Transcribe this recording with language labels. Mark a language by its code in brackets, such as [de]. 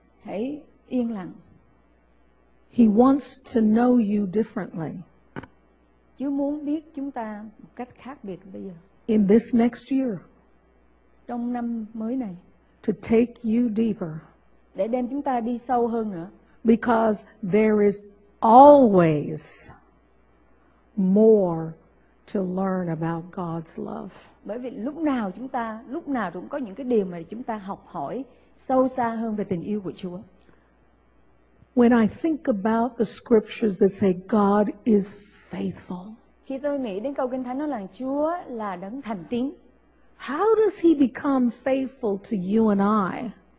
[vi] Hãy yên lặng. [en] He wants to know you differently. [vi] Chúa muốn biết chúng ta một cách khác biệt bây giờ. [en] In this next year. [vi] Trong năm mới này. [en] To take you deeper. [vi] Để đem chúng ta đi sâu hơn nữa. [en] Because there is always more to learn about God's love. [vi] Bởi vì lúc nào cũng có những cái điều mà chúng ta học hỏi sâu xa hơn về tình yêu của Chúa. [en] When I think about the scriptures that say God is faithful. [vi] Khi tôi nghĩ đến câu Kinh Thánh nói là Chúa là đấng thành tín. [en] How does he become faithful to you and I?